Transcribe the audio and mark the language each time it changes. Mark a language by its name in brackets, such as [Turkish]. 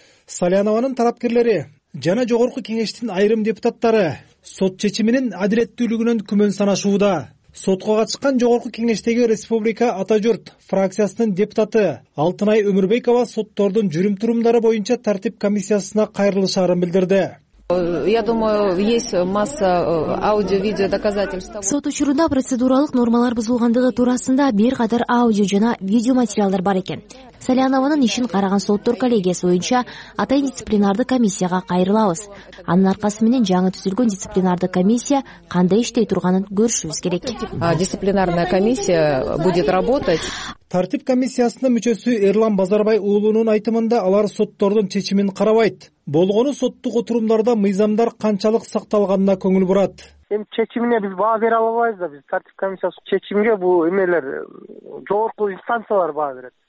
[Kyrgyz] Салянованын тарапкерлери жана жогорку кеңештин айрым депутаттары сот чечиминин адилеттүүлүгүнөн күмөн санашууда. Сотко катышкан жогорку кеңештеги Республика Атажурт фракциясынын депутаты Алтынай Өмүрбекова соттордун жүрүм турумдары боюнча тартип комиссиясына кайрылышаарын билдирди. [Russian] Я думаю, есть масса аудио-видео доказательств. [Kyrgyz] Сот учурунда процедуралык нормалар бузулгандыгы туурасында бир кадар аудио жана видео материалдар бар экен. Саляновонун ишин караган соттор коллегиясы боюнча атайын дисциплинардык комиссияга кайрылабыз. Анын аркасы менен жаңы түзүлгөн дисциплинардык комиссия кандай иштей турганын көрүшүбүз керек. [Russian] Дисциплинарная комиссия будет работать. [Kyrgyz] Тартип комиссиясынын мүчөсү Эрлан Базарбай уулунун айтымында алар соттордун чечимин карабайт. Болгону соттук отурумдарда мыйзамдар канчалык сакталганына көңүл бурат. Эми чечимине биз баа бере албайбыз да, биз тартип комиссиясы чечимге бул эмелер жогорку инстанциялар баа берет.